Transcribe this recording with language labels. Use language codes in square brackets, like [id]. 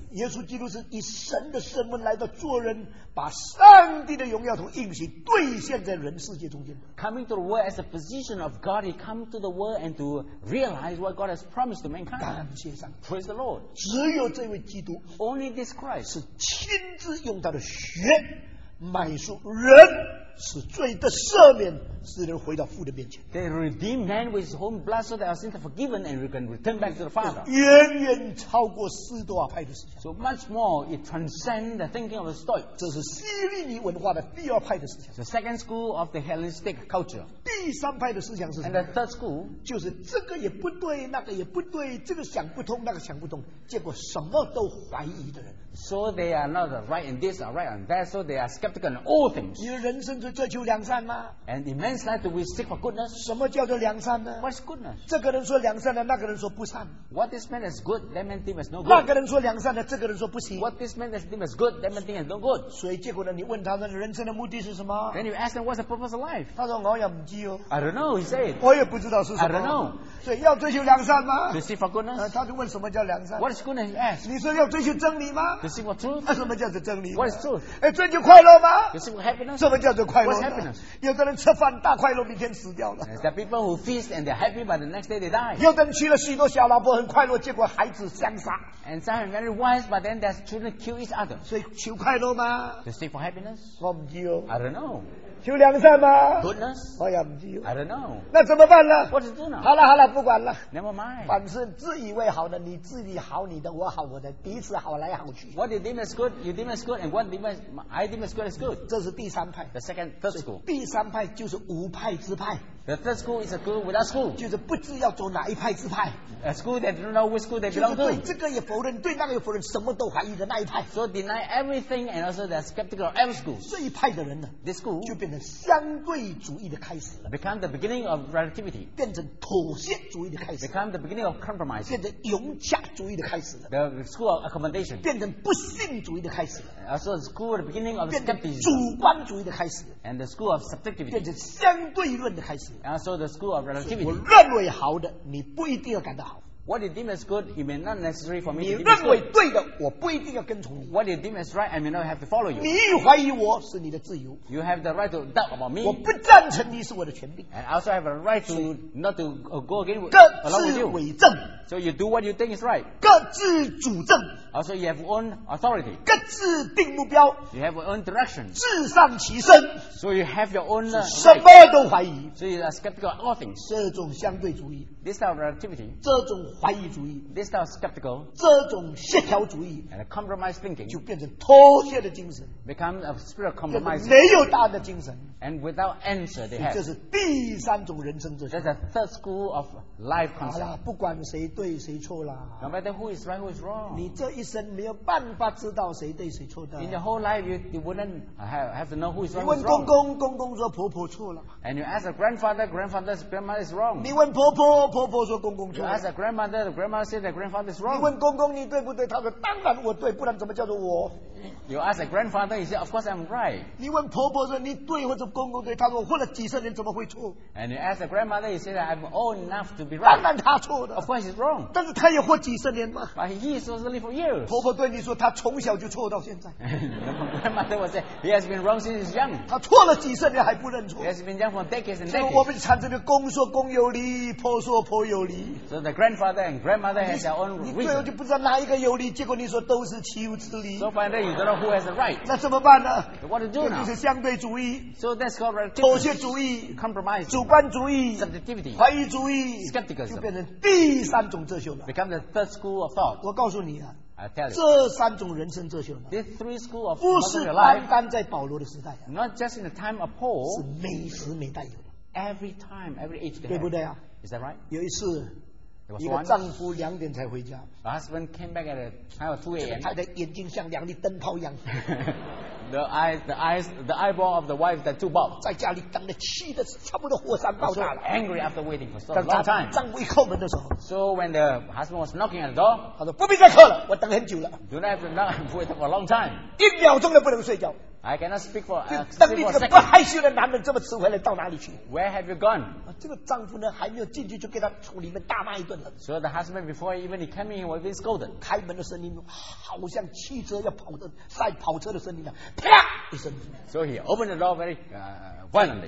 [zh] 耶稣基督是以神的身份来到做人，把上帝的荣耀从应许兑现在人世界中间。 [en] Coming to the world as a position of God, he come to the world and to realize what God has promised to mankind. [zh] 感谢上帝。 [en] Praise the Lord. [zh] 只有这位基督 [en] ，Only this Christ [zh] 是亲自用他的血买赎人。使罪的赦免，使人回到父的面前。 [en] They redeem man with his own blood, so that our sins are forgiven, and we can return back to the Father. [zh] 远远超过士多啊派的思想。 [en] So much more, it transcends the thinking of the Stoic. [zh] 这是希利尼文化的第二派的思想。 [en] The second school of the Hellenistic culture. [zh] 第三派的思想是什么 [en] ？And the third school [zh] 就是这个也不对，那个也不对，这个想不通，那个想不通，结果什么都怀疑的人。 [en] So they are not right in this or right in that, so they are skeptical in all things. [zh] 你的人生是追求良善吗 [en] ？And in man's life, do we seek for goodness? [zh] 什么叫做良善呢 [en] ？What's goodness? [zh] 这个人说良善的，那个人说不善。 [en] What this man is good, that man thinks no good. [zh] 那个人说良善的，这个人说不行。 [en] What this man is thinks is good, that man thinks no good. [zh] 所以结果呢，你问他的人生的目的是什么 [en] ？Then you ask them what's the purpose of life. [zh] 他说我也不知哦。 [en] I don't know, he said. [zh] 我也不知道是什么。 [en] I don't know. [zh] 所以要追求良善吗 [en] ？To seek for goodness. [zh] 他就问什么叫良善 [en] ？What is goodness? He asked. [zh] 你说要追求真理吗 [en] ？To seek for truth. [zh] 什么叫做真理 [en] ？What is truth? [zh] 追求快乐吗 [en] ？To seek for happiness. [zh] 什么叫做快乐 [en] ？What's happiness? [zh] 有的人吃饭大快乐，明天死掉了。 [en] There are people who feast and they're happy, but the next day they die. [zh] 有的人娶了许多小老婆，很快乐，结果孩子相杀。 [en] And some are very wise, but then their children kill each other. [zh] 所以求快乐吗 [en] ？To seek for happiness? [zh] 我不知哦。 [en] I don't know. [zh] 求良善吗 [en] ？Goodness? [zh] 我也不知哦。 [en] I don't know. [zh] 那怎么办呢 [en] ？What's it do now? [zh] 好了好了，不管了。 [en] Never mind. [zh] 反正自以为好的，你自己好你的，我好我的，彼此好来好去。 [en] What you deem is good, you deem is good, and what I deem is good is good. [zh] 这是第三派。 [en] The second third school. [zh] 第三派就是无派之派。 [en] The third school is a school without school. [zh] 就是不知要走哪一派之派。 [en] A school that don't know which school they belong to. [zh] 就是对这个也否认，对那个也否认，什么都怀疑的那一派。 [en] So deny everything and also they're skeptical of every school. [zh] 这一派的人呢 [en] ，this school [zh] 就变成相对主义的开始了。 [en] Become the beginning of relativity. [zh] 变成妥协主义的开始。 [en] Become the beginning of compromise. [zh] 变成融洽主义的开始了。 [en] The school of accommodation. [zh] 变成不信主义的开始了。 [en] Also the school of the beginning of skepticism. [zh] 主观主义的开始。 [en] And the school of subjectivity. [zh] 变成相对论的开始。 [en] And so the school of relativity. [zh] 我认为好的，你不一定要感到好。 [en] What you deem as good, it may not necessary for me. [zh] 你认为对的，我不一定要跟从你。 [en] What you deem as right, I may not have to follow you. [zh] 你怀疑我是你的自由。 [en] You have the right to doubt about me. [zh] 我不赞成你是我的权柄。 [en] And also I have a right to not to go against along with you. [zh] 各自为政。 [en] So you do what you think is right. [zh] 各自主政。 [en] So you have own authority. [zh] 各自定目标。 [en] You have your own direction. [zh] 自上其身。 [en] So you have your own. [zh] 什么都怀疑。 [en] So you are skeptical of all things. [zh] 这种相对主义。 [en] This type of relativity. [zh] 这种怀疑主义。 [en] This type of skeptical. [zh] 这种协调主义。 [en] And a compromise thinking. [zh] 就变成妥协的精神。 [en] Become a spirit of compromise. [zh] 没有答案的精神。 [en] And without answer, they have. [zh] 这是第三种人生哲学。 [en] That's a third school of life concept. [zh] 好了，不管谁。谁对谁错啦 [en] ？No matter who is right, who is wrong. [zh] 你这一生没有办法知道谁对谁错的。 [en] In your whole life, you wouldn't have to know who is right. [zh] 你问公公，公公说婆婆错了。 [en] And you ask a grandfather, grandfather's grandma is wrong. [zh] 你问婆婆，婆婆说公公错了。 [en] You ask a grandmother, the grandma says that grandfather is wrong. [zh] 你问公公你对不对？他说当然我对，不然怎么叫做我 [en] ？You ask a grandfather, he says, of course I'm right. [zh] 你问婆婆说你对或者公公对？他说我活了几十年怎么会错 [en] ？And you ask a grandmother, he says I'm old enough to be right. [zh] 当然他错的。 [en] Of course he's wrong. [zh] 但是他也活几十年嘛。 [en] But he is also living for years. [zh] 婆婆对你说他从小就错到现在。 [en] Grandmother was saying he has been wrong since he's young. [zh] 他错了几十年还不认错。 [en] He has been young for decades and decades. [zh] 所以我们产生的公说公有理，婆说婆有理。 [en] So the grandfather and grandmother have their own reason. [zh] 你最后就不知道哪一个有理，结果你说都是岂有此理。 [en] So finally you don't know who has the right. [zh] 那怎么办呢？ [en] So what to do now? [zh] 这就是相对主义。 [en] So that's called relativity. [zh] 妥协主义。 [en] Compromise. [zh] 主观主义。 [en] Subjectivity. [zh] 怀疑主义。 [en] Skepticism. [zh] 就变成第三。 [en] Become the third school of thought. [zh] 我告诉你啊 [en] I tell you, [zh] 这三种人生哲学呢 [en] These three school of [zh] 不是单单在保罗的时代、啊、 [en] Not just in the time of Paul [zh] 是每时每代有 [en] Every time, every age [zh] 对不对啊 [en] Is that right? [zh] 有一次一个丈夫两点才回家 [en] The husband came back at a time of 2 a.m. [zh] 他的眼睛像两粒灯泡一样 [en] The eyeball of the wife that two bob. [zh] 在家里等了气的差不多火山爆炸了。 [en] Angry after waiting for so long time. [zh] 丈夫一叩门的时候。 [en] So when the husband was knocking at the door, [zh] 他说不必再叩了，我等很久了。 [en] Do not have to knock. I've waited for a long time. [zh] 一秒钟都不能睡觉。 [en] I cannot speak for a second. [zh] 等你这个不害羞的男人这么迟回来到哪里去 [en] ？Where have you gone?、 [zh] 啊、这个丈夫呢还没有进去就给他从里面大骂一顿了。 [en] So the husband before even he came in was being scolded. [zh] 开门的声音好像汽车要跑的赛跑车的声音啊。 [en] So he opened the door very violently.